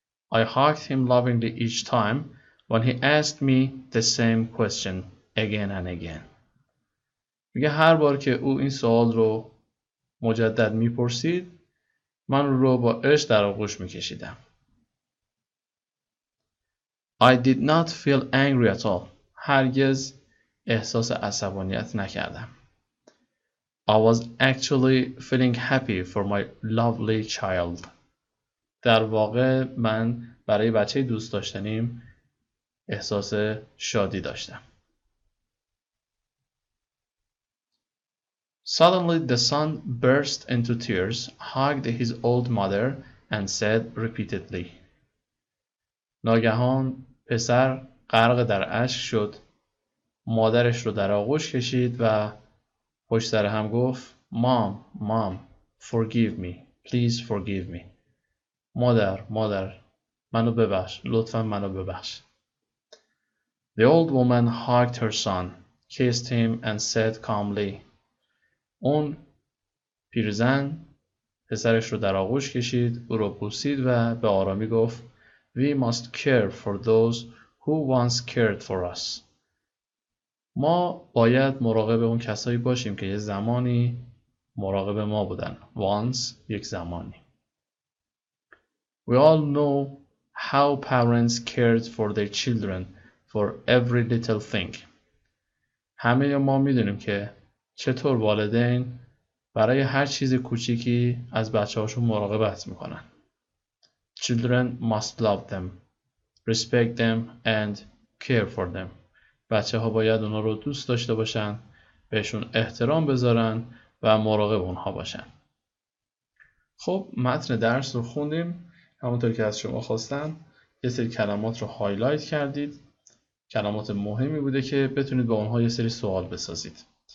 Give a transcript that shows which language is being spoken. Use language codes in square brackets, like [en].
[en] I hugged him lovingly each time when he asked me the same question again and again. [fa] میگه هر بار که او این سوال رو مجدد میپرسید من رو با عشق در آغوش میکشیدم. [en] I did not feel angry at all. [fa] هرگز احساس عصبانیت نکردم. [en] I was actually feeling happy for my lovely child. [fa] در واقع من برای بچه دوست داشتنیم احساس شادی داشتم. [en] Suddenly the son burst into tears, hugged his old mother and said repeatedly. [fa] ناگهان پسر غرق در اشک شد، مادرش رو در آغوش کشید و پشت سر هم گفت مام [en] forgive me, please forgive me. [fa] مادر منو ببخش، لطفا منو ببخش. [en] The old woman hugged her son, kissed him and said calmly. [fa] اون پیرزن پسرش رو در آغوش کشید، او رو بوسید و به آرامی گفت [en] We must care for those who once cared for us. [fa] ما باید مراقب اون کسایی باشیم که یه زمانی مراقب ما بودن. Once, یک زمانی. [en] We all know how parents cared for their children for every little thing. [fa] همه ما میدونیم که چطور والدین برای هر چیز کوچیکی از بچه هاشون مراقبت میکنن. [en] Children must love them, respect them and care for them. [fa] بچه ها باید اونا رو دوست داشته باشن، بهشون احترام بذارن و مراقب اونها باشن. خب متن درس رو خوندیم، همونطور که از شما خواستم یه سری کلمات رو هایلایت کردید. کلمات مهمی بوده که بتونید با اونها یه سری سوال بسازید.